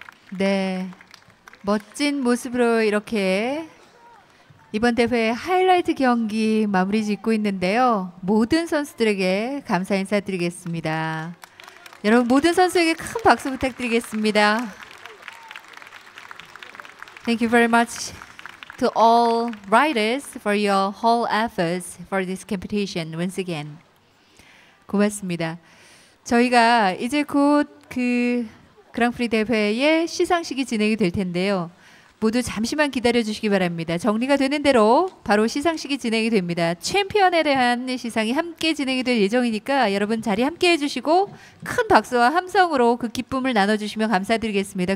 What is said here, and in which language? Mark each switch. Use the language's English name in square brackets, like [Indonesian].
[Korean] 네, 멋진 모습으로 이렇게 이번 대회 하이라이트 경기 마무리 짓고 있는데요. 모든 선수들에게 감사 인사드리겠습니다. 여러분, 모든 선수에게 큰 박수 부탁드리겠습니다. [English] Thank you very much. To all riders for your whole efforts for this competition once again. [Korean] 고맙습니다. 저희가 이제 곧그 그랑프리 대회의 시상식이 진행이 될 텐데요. 모두 잠시만 기다려 주시기 바랍니다. 정리가 되는 대로 바로 시상식이 진행이 됩니다. 챔피언에 대한 시상이 함께 진행이 될 예정이니까 여러분 자리 함께 해주시고 큰 박수와 함성으로 그 기쁨을 나눠주시면 감사드리겠습니다.